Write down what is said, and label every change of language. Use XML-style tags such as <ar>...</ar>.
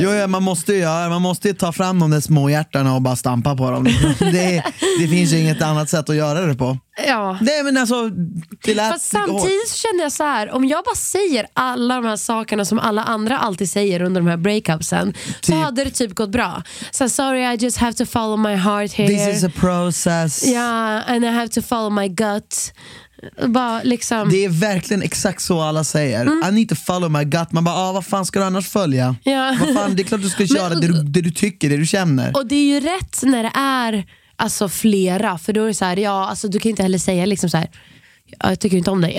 <sv>jo, ja, man måste ju göra, man måste ju ta fram de små hjärtan och bara stampa på dem. Det finns ju inget annat sätt att göra det på. Ja. Nej, men alltså, samtidigt känner jag så här, om jag bara säger alla de här sakerna som alla andra alltid säger under de här breakupsen, typ, så hade det typ gått bra.</sv> <en>Så sorry, I just have to follow my heart here. This is a process. Yeah, and I have to follow my gut.</en> <sv>Bara liksom. Det är verkligen exakt så alla säger.</sv> <en>I need to follow my gut.</en> <sv>Man bara, vad fan ska du annars följa?</sv> <en>Yeah.</en> <sv>Vad fan, det är klart du ska köra det du tycker, det du känner. Och det är ju rätt när det är alltså flera, för då är det så här, ja, alltså du kan inte heller säga liksom så här, jag tycker inte om dig.</sv>